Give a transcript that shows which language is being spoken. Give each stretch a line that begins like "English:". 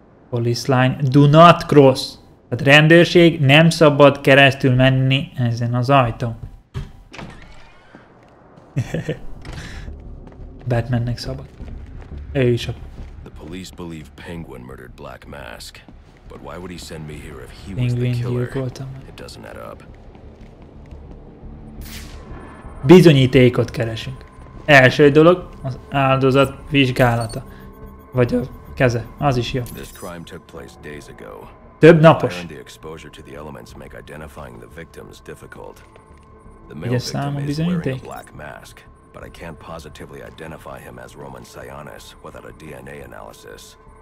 English: Police line, do not cross.
Hungarian: Tehát rendőrség, nem szabad keresztül menni ezen az ajtón. Batmannek szabad.
English: The police believe Penguin murdered Black Mask, but why would he send me here if he was the killer? It doesn't add up.
Hungarian: Bizonyítékot keresünk. Első dolog az áldozat vizsgálata, vagy a keze, az is jó.
English: This crime took place days ago.
Hungarian: Több napos.
English: The exposure to the elements make identifying the victims difficult. The male victim is wearing a black mask. But I can't positively identify him as Roman Sionis without a DNA analysis.